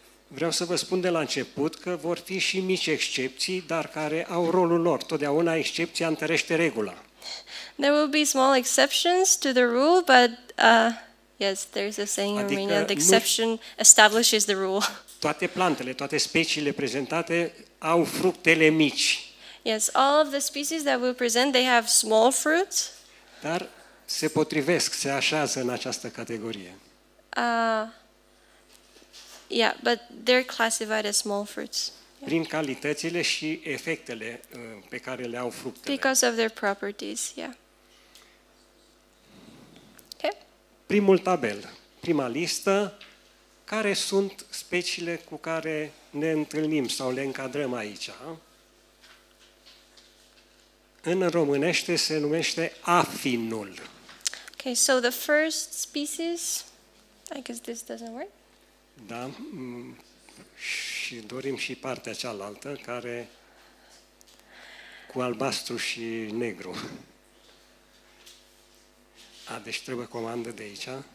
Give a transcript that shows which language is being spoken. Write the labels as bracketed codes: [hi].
[ro] Vreau să vă spun de la început că vor fi și mici excepții, dar care au rolul lor. Totdeauna excepția întărește regula. [en] There will be small exceptions to the rule, but yes, there's a saying in Romanian, the exception establishes the rule. [ro] Toate plantele, toate speciile prezentate au fructele mici. [en] Yes, all of the species that we present, they have small fruits. [ro] Dar se potrivesc, se așează în această categorie. [en] Yeah, but they're classified as small fruits. [ro] Prin calitățile și efectele pe care le au fructele. [en] Because of their properties, yeah. Okay. [ro] Primul tabel, prima listă, care sunt speciile cu care ne întâlnim sau le încadrăm aici? În românește se numește afinul. [en] Okay, so the first species, I guess this doesn't work. [ro] Da. Și dorim și partea cealaltă, care cu albastru și negru. A, deci trebuie comandă de aici.